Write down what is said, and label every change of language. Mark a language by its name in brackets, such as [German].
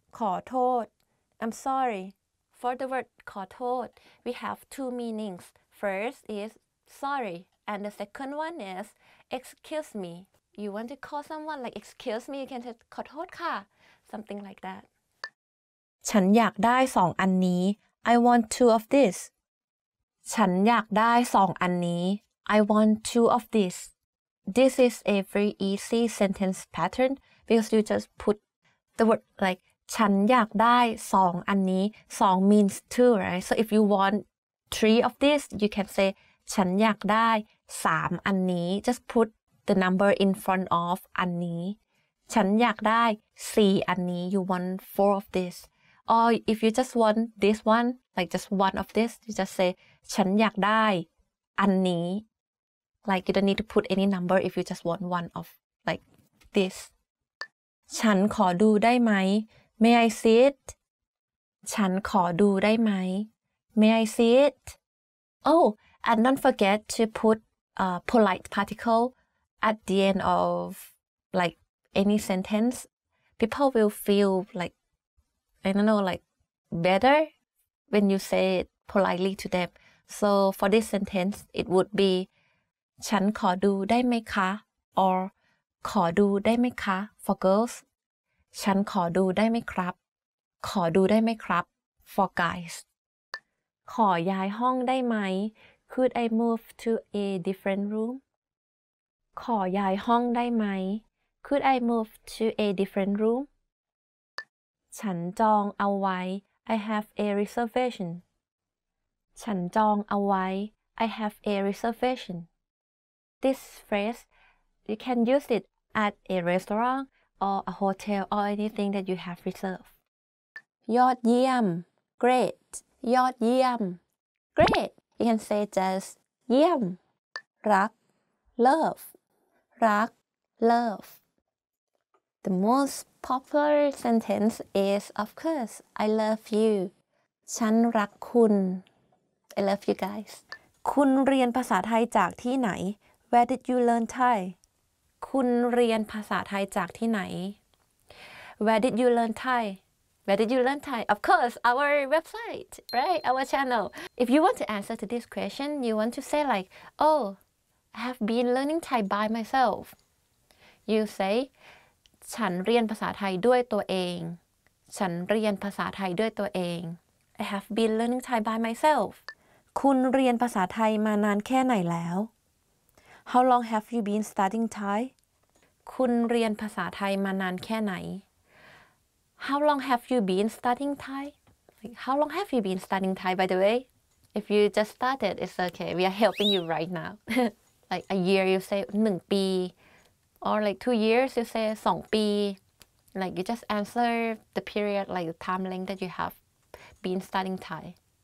[Thai] ขอโทษ [English] I'm sorry for the word ขอโทษ we have two meaningsFirst is sorry, and the second one is excuse me. You want to call someone like excuse me, you can say [Thai] ขอโทษค่ะ, [English] something like that. [Thai] ฉันอยากได้สองอันนี้ [English] I want two of this. [Thai] ฉันอยากได้สองอันนี้ [English] I want two of this. This is a very easy sentence pattern because you just put the word like [Thai] ฉันอยากได้สองอันนี้สอง [English] means two, right? So if you want three of this, you can say [Thai] ฉันอยากได้สามอันนี้ [English] just put the number in front of อันนี้ [Thai] ฉันอยากได้สี่อันนี้ [English] you want four of this or if you just want this one like just one of this you just say [Thai] ฉันอยากได้อันนี้ [English] like you don't need to put any number if you just want one of like this [Thai] ฉันขอดูได้ไหม [English] may I see it [Thai] ฉันขอดูได้ไหม [English] May I see it? Oh, and don't forget to put a polite particle at the end of like any sentence. People will feel like, I don't know, like better when you say it politely to them. So for this sentence, it would be [Thai] ฉันขอดูได้ไหมคะ? Or ขอดูได้ไหมคะ? [English] For girls, [Thai] ฉันขอดูได้ไหมครับ? ขอดูได้ไหมครับ? [English] For guys. [Thai] ขอย้ายห้องได้ไหม [English] Could I move to a different room? [Thai] ขอย้ายห้องได้ไหม [English] Could I move to a different room? [Thai] ฉันจองเอาไว้ [English] I have a reservation. [Thai] ฉันจองเอาไว้ [English] I have a reservation. This phrase, you can use it at a restaurant or a hotel or anything that you have reserved. [Thai] ยอดเยี่ยม Great. ยอดเยี่ยม [English] great you can say just เยี่ยมรัก love รัก love the most popular sentence is of course I love you [Thai] ฉันรักคุณ [English] I love you guys [Thai] คุณเรียนภาษาไทยจากที่ไหน [English] where did you learn Thai [Thai] คุณเรียนภาษาไทยจากที่ไหน [English] where did you learn ThaiWhere did you learn Thai? Of course, our website, right? Our channel. If you want to answer to this question, you want to say like, oh, I have been learning Thai by myself. You say, [Thai] ฉันเรียนภาษาไทยด้วยตัวเอง. ฉันเรียนภาษาไทยด้วยตัวเอง. [English] I have been learning Thai by myself. [Thai] คุณเรียนภาษาไทยมานานแค่ไหนแล้ว? [English] How long have you been studying Thai? [Thai] คุณเรียนภาษาไทยมานานแค่ไหน [English] How long have you been studying Thai? Like, how long have you been studying Thai, by the way? If you just started, it's okay. We are helping you right now. like a year, you say 1 ปี. Or like 2 years, you say 2 ปี. Like you just answer the period, like the time length that you have been studying Thai.